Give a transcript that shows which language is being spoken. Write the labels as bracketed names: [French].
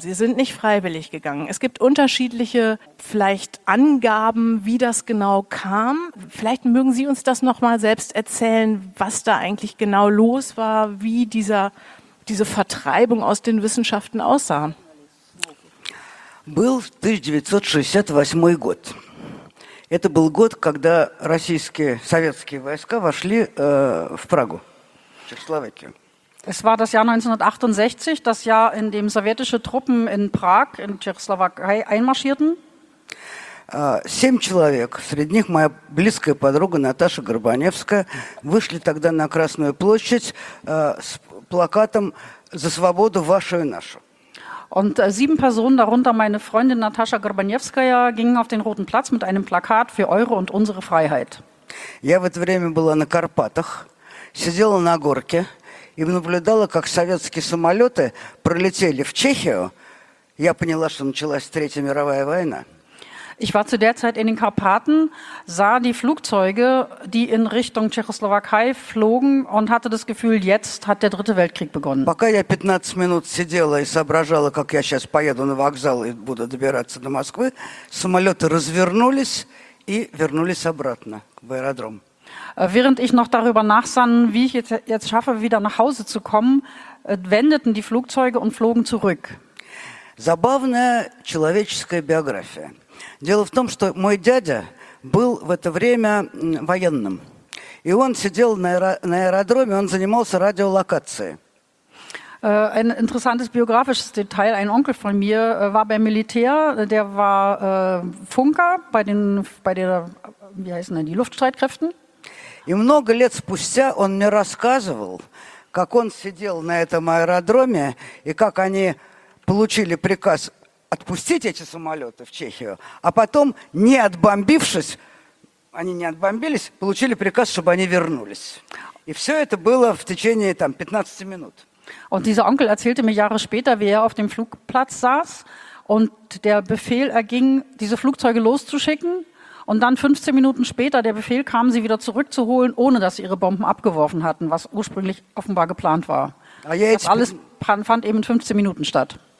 [German] Sie sind nicht freiwillig gegangen. Es gibt unterschiedliche vielleicht Angaben, wie das genau kam. Vielleicht mögen Sie uns das nochmal selbst erzählen, was da eigentlich genau los war, wie diese Vertreibung aus den Wissenschaften aussah. [Russian] Был 1968 год. Это был год, когда российские советские войска вошли в Прагу. [German] Es war das Jahr 1968, das Jahr, in dem sowjetische Truppen in Prag, in Tschechoslowakei, einmarschierten. [Russian] Семь человек, среди них моя близкая подруга Наташа Горбаневская, вышли тогда на Красную площадь с плакатом «За свободу вашу и нашу». [German] Und sieben Personen, darunter meine Freundin Наташа Горбаневская, gingen auf den Roten Platz mit einem Plakat für eure und unsere Freiheit. [Russian] Я в это время была на Карпатах. Сидела на горке и наблюдала, как советские самолеты пролетели в Чехию. Я поняла, что началась Третья мировая война. [German] Ich war zu der Zeit in den Karpaten, sah die Flugzeuge, die in Richtung Tschechoslowakei flogen und hatte das Gefühl, jetzt hat der Dritte Weltkrieg begonnen. [Russian] Пока я 15 минут сидела и соображала, как я сейчас поеду на вокзал и буду добираться до Москвы, самолеты развернулись и вернулись обратно в аэродром. [German] Während ich noch darüber nachsann, wie ich jetzt schaffe, wieder nach Hause zu kommen, wendeten die Flugzeuge und flogen zurück. [Russian] Забавная человеческая биография. Дело в том, что мой дядя был в это время военным. И он сидел на аэродроме, он занимался радиолокацией. [German] Ein interessantes biografisches Detail. Ein Onkel von mir war beim Militär. Der war Funker bei den Luftstreitkräften. [Russian] И много лет спустя он мне рассказывал, как он сидел на этом аэродроме и как они получили приказ отпустить эти самолеты в Чехию, а потом, не отбомбившись, они не отбомбились, получили приказ, чтобы они вернулись. И все это было в течение там, 15 минут. [German] Und dieser Onkel erzählte mir Jahre später, wie er auf dem Flugplatz saß und der Befehl erging, diese Flugzeuge loszuschicken. Und dann 15 Minuten später der Befehl kam, sie wieder zurückzuholen, ohne dass sie ihre Bomben abgeworfen hatten, was ursprünglich offenbar geplant war. Das alles fand eben in 15 Minuten statt.